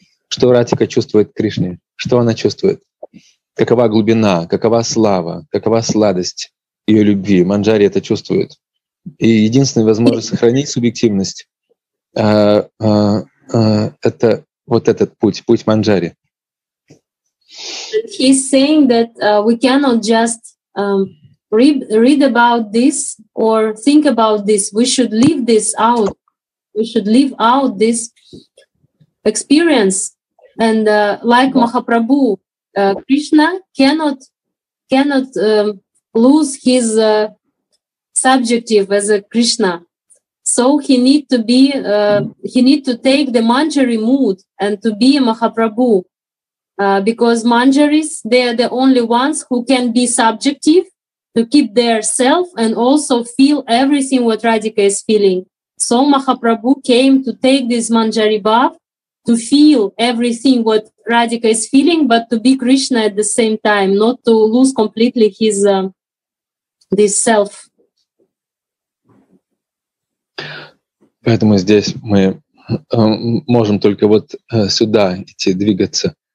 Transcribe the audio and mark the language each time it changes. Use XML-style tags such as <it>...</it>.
<ru>Что Радхика чувствует к Кришне? Что она чувствует? Какова глубина, какова слава, какова сладость ее любви? Манджари это чувствует. И единственная возможность сохранить субъективность это вот этот путь Манджари.</ru> <en>And he's saying that we cannot just read about this or think about this. We should leave this out. We should leave out this experience. And like Mahaprabhu, Krishna cannot lose his subjective as a Krishna. So he need to take the Manjari mood and to be a Mahaprabhu. Because Manjaris, they are the only ones who can be subjective, to keep their self and also feel everything what Radhika is feeling. So Mahaprabhu came to take this Manjari bath, to feel everything what Radhika is feeling, but to be Krishna at the same time, not to lose completely his this self.</en> <ru>Поэтому здесь мы можем только вот сюда идти, двигаться.</ru>